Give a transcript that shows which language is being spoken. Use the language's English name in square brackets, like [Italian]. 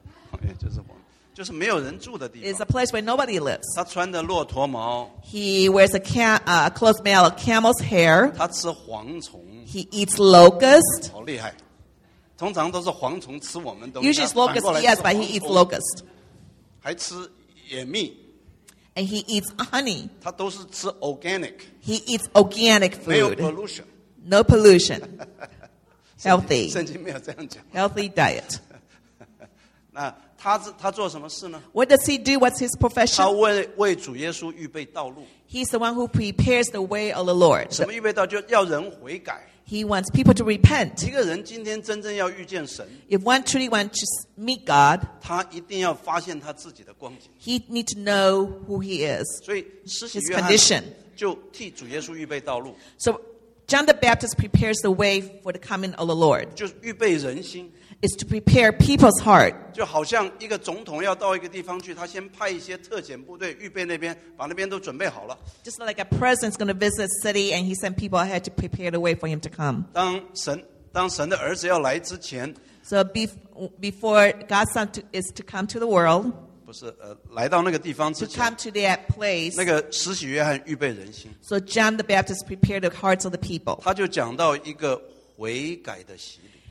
[Chinese] 荒野就是荒地。就是没有人住的地方。 [English] It's a place where nobody lives. [Chinese] 他穿的骆驼毛。 [English] He wears a clothes made of camel's hair. [Chinese] 他吃蝗虫。 [English] He eats locust. [Chinese] 好厉害。通常都是蝗虫吃我们东西。 [English] Usually it's locust, yes, but he eats locust. [Chinese] 还吃野蜜。 [English] And he eats honey. [Chinese] 他都是吃 organic. [English] He eats organic food. [Chinese] 没有 pollution. [English] No pollution. Healthy. [Chinese] 圣经没有这样讲。 [English] Healthy diet. [Chinese] 那他做什么事呢？ [English] What does he do? What's his profession? [Chinese] 他为主耶稣预备道路。 [English] He's the one who prepares the way of the Lord. [Chinese] 什么预备道路？就要人悔改。 [English] He wants people to repent. [Chinese] 一个人今天真正要遇见神， [English] If one truly wants to meet God, [Chinese] 他一定要发现他自己的光景。 [English] He needs to know who he is. [Chinese] 所以施洗约翰 [English] His condition. [Chinese] 就替主耶稣预备道路。 [English] So John the Baptist prepares the way for the coming of the Lord. [Chinese] 就预备人心。 [English] It's to prepare people's heart. [Chinese] 就好像一个总统要到一个地方去， 他先派一些特遣部队预备那边， 把那边都准备好了。 [English] Just like a president is going to visit a city and he sent people ahead to prepare the way for him to come. [Chinese] 当神的儿子要来之前， [English] So before God's son is to come to the world, [Chinese] 不是，来到那个地方之前， [English] To come to that place, [Chinese] 那个施洗约翰预备人心。 [English] So John the Baptist prepared the hearts of the people. [Chinese] 他就讲到一个悔改的洗礼。